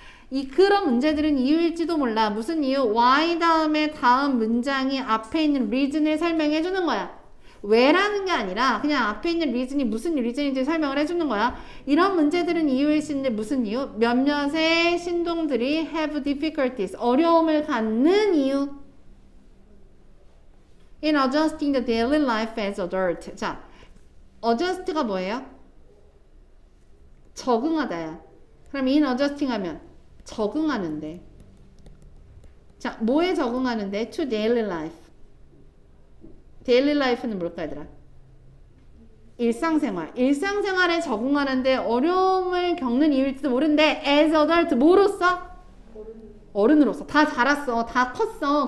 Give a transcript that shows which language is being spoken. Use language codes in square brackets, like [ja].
[ko] 이 그런 문제들은 이유일지도 몰라. 무슨 이유? Why 다음에 다음 문장이 앞에 있는 reason을 설명해 주는 거야. 왜라는 게 아니라 그냥 앞에 있는 reason이 무슨 reason인지 설명을 해 주는 거야. 이런 문제들은 이유일 수 있는데 무슨 이유? 몇몇의 신동들이 [en] have difficulties, [ko] 어려움을 갖는 이유. [en] In adjusting the daily life as adult. 자, [ko] 어저스트가 뭐예요? 적응하다야. 그럼 in adjusting 하면 적응하는데. 자, 뭐에 적응하는데? [en] To daily life. [ko] Daily life는 뭘까, 얘들아? 일상생활. 일상생활에 적응하는데 어려움을 겪는 이유일지도 모른데, [en] as adult, [ko] 뭐로서? 어른으로서. 다 자랐어. 다 컸어.